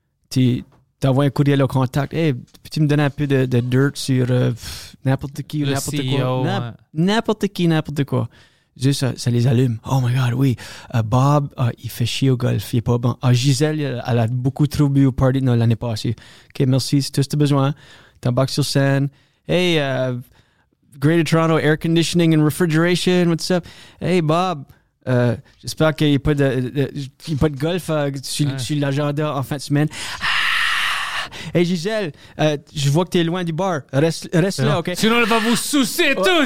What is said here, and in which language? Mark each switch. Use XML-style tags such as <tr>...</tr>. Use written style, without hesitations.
<fr>Tu t'envoies un courriel au contact. Hey, peux-tu me donner un peu de dirt sur n'importe qui ou n'importe CEO, quoi? Ouais. N'importe qui, n'importe quoi. Juste, ça les allume.</fr> <en>Oh my God,</en> <fr>oui. Bob, il fait chier au golf. Il est pas bon. Gisèle, elle a beaucoup trop bu au party non, l'année passée. OK, merci. C'est tout ce que tu as besoin. T'embarques sur scène.</fr> <en>Hey, Greater Toronto Air Conditioning and Refrigeration, what's up?</en> <fr>Hey, Bob, j'espère qu'il n'y a pas de golf sur l'agenda en fin de semaine. Ah! Hey, Gisèle, je vois que tu es loin du bar. Reste là, OK? Sinon, elle va vous soucier tout.</fr>